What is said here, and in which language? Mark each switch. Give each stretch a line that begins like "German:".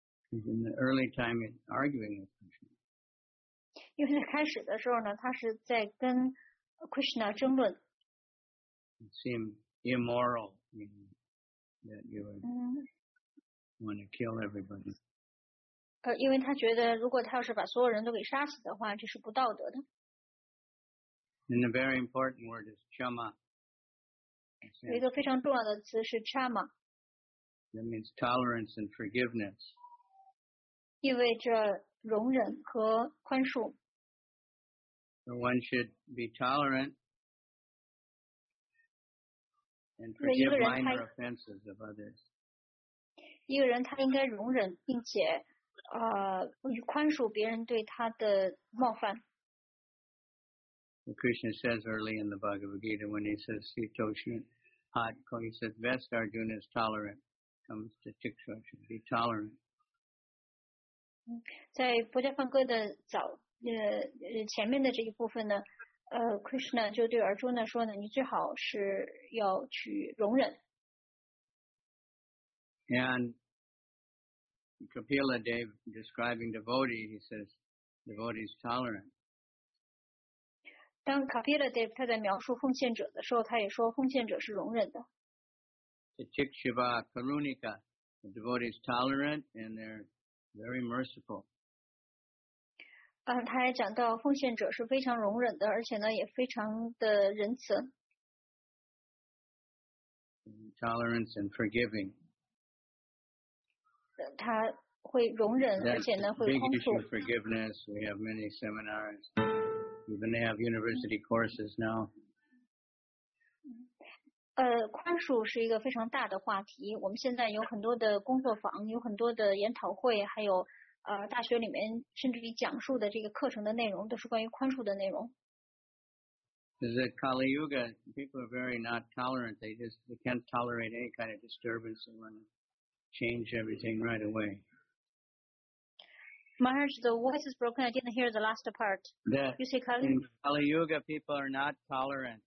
English: In the early time arguing with Krishna.
Chinese: 因为在开始的时候呢他是在跟 Krishna 争论。
English: It seemed immoral, you know, that you would want to kill everybody.
Chinese: 因为他觉得如果他要是把所有人都给杀死的话这是不道德的。
English: And the very important word is chama.
Chinese: 有一个非常重要的词是 chama.
English: That means tolerance and forgiveness.
Chinese: 意味着容忍和宽恕。
English: So one should be tolerant and forgive minor offenses of others.
Chinese: 一个人他应该容忍并且宽恕别人对他的冒犯。
English: The Krishna says early in the Bhagavad Gita when he says Sitoshin. Hot, he says, best Arjuna is tolerant. Comes to Tiksha, should be tolerant.
Chinese: 在薄伽梵歌的早前面的这一部分呢Krishna 就对 Arjuna 说呢，你最好是要去容忍。
English: And Kapila Dev describing devotee, he says, devotee is tolerant.
Chinese: 当 Kapila Dev 他在描述奉献者的时候，他也说奉献者是容忍的。
Sanskrit: Tikshiva Karunika,
English: The devotee is tolerant and they're very merciful.
Chinese: 他还讲到奉献者是非常容忍的，而且呢也非常的仁慈。
English: Tolerance and forgiving.
Chinese: 他会容忍，而且呢会宽恕。
English: That's the big issue, forgiveness. We have many seminars. We even have university courses now.
Chinese: 宽恕是一个非常大的话题。我们现在有很多的工作坊，有很多的研讨会，还有大学里面甚至于讲述的这个课程的内容都是关于宽恕的内容。
English: Is that Kali Yuga, people are very not tolerant. They can't tolerate any kind of disturbance and want to change everything right away. Maharaj, the voice is broken. I didn't hear the last part. You say Kali? In Kali Yuga, people are not tolerant.